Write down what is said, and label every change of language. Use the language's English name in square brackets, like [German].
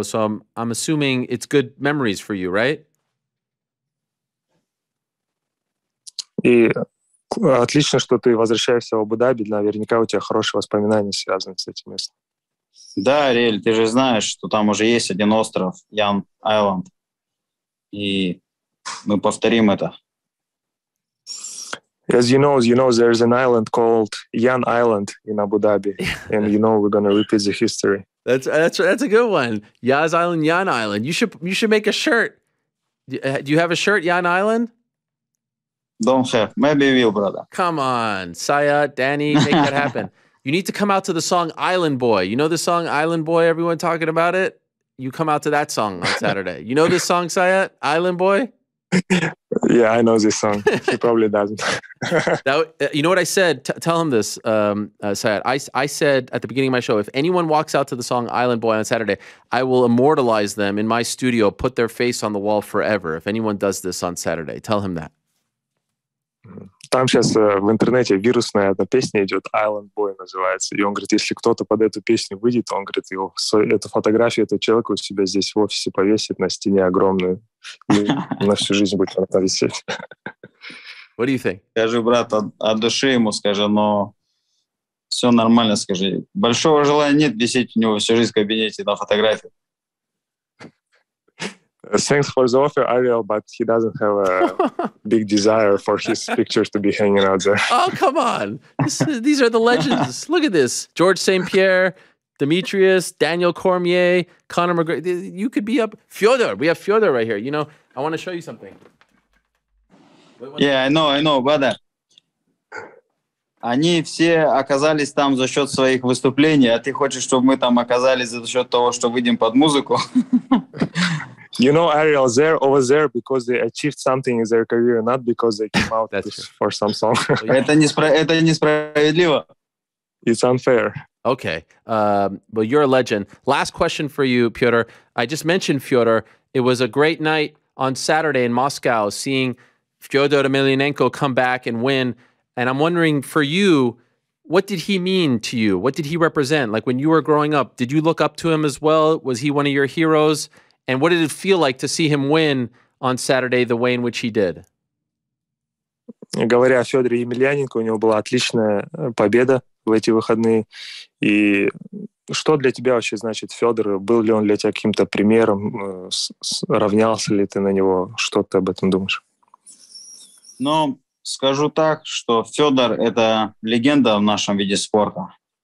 [English] So I'm assuming it's good memories for you, right? [Russian] И Отлично, что ты возвращаешься в Абу-Даби. Наверняка у тебя хорошие воспоминания связаны с этим местом. Да, Ариэль, ты же знаешь, что там уже есть один остров, Ян Айланд. И мы повторим это. [English] As you know, there's an island called Yan Island in Abu Dhabi, and you know we're gonna repeat the history. That's a good one. Yaz Island, Yan Island. You should make a shirt. Do you have a shirt, Yan Island? Don't have. Maybe we'll, brother. Come on, Saya, Danny, make that happen. You need to come out to the song Island Boy. You know the song Island Boy? Everyone talking about it. You come out to that song on Saturday. You know this song, Saya, Island Boy? Yeah, I know this song. He probably doesn't. You know what I said? Tell him this, Syed. I said at the beginning of my show, if anyone walks out to the song Island Boy on Saturday, I will immortalize them in my studio, put their face on the wall forever. If anyone does this on Saturday, tell him that. [Russian] Там сейчас в интернете вирусная одна песня идет, Island Boy называется. И он говорит, если кто-то под эту песню выйдет, он говорит, эту фотографию этого человека у себя здесь в офисе повесит на стене огромную. На всю жизнь будет она там висеть. [English] What do you think? [Russian] Скажи, брат, от души ему скажи, но все нормально, скажи. Большого желания нет висеть у него всю жизнь в кабинете на фотографии. [English] Thanks for the offer, Ariel, but he doesn't have a big desire for his pictures to be hanging out there. Oh, come on. These are the legends. Look at this. George St. Pierre, Demetrius, Daniel Cormier, Conor McGregor. You could be up. Fyodor. We have Fyodor right here. You know, I want to show you something. Yeah, I know, brother. [Russian] Они все оказались там за счет своих выступлений, а ты хочешь, чтобы мы там оказались за счет того, что выйдем под музыку? [English] You know, Ariel, they're over there because they achieved something in their career, not because they came out for some song. [Russian] Это несправедливо. [English] It's unfair. Okay. Well, you're a legend. Last question for you, Piotr. I just mentioned Piotr. It was a great night on Saturday in Moscow seeing Fyodor Emelianenko come back and win. And I'm wondering, for you, what did he mean to you? What did he represent? Like, when you were growing up, did you look up to him as well? Was he one of your heroes? And what did it feel like to see him win on Saturday the way in which he did? [Russian] Говоря о Федоре Емельяненко, у него была отличная победа в эти выходные. И что для тебя вообще значит Федор? Был ли он для тебя каким-то примером? Равнялся ли ты на него? Что ты об этом думаешь? Ну, скажу так, что Федор — это легенда в нашем виде спорта.